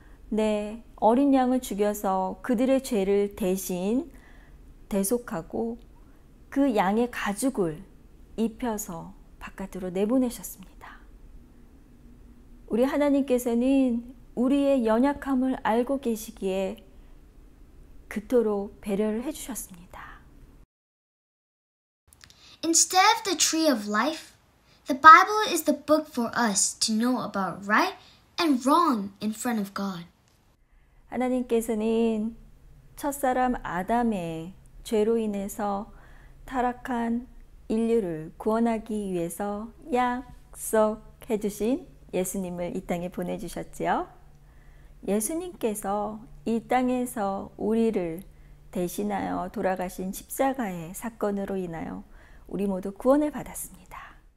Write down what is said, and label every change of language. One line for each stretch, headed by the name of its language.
Korean: 네, 어린 양을 죽여서 그들의 죄를 대신 대속하고 그 양의 가죽을 입혀서 바깥으로 내보내셨습니다. 우리 하나님께서는 우리의 연약함을 알고 계시기에 그토록 배려를 해주셨습니다.
English: Instead of the tree of life, the Bible is the book for us to know about right and wrong in front of God.
Korean: 하나님께서는 첫사람 아담의 죄로 인해서 타락한 인류를 구원하기 위해서 약속해 주신 예수님을 이 땅에 보내주셨지요. 예수님께서 이 땅에서 우리를 대신하여 돌아가신 십자가의 사건으로 인하여 우리 모두 구원을 받았습니다.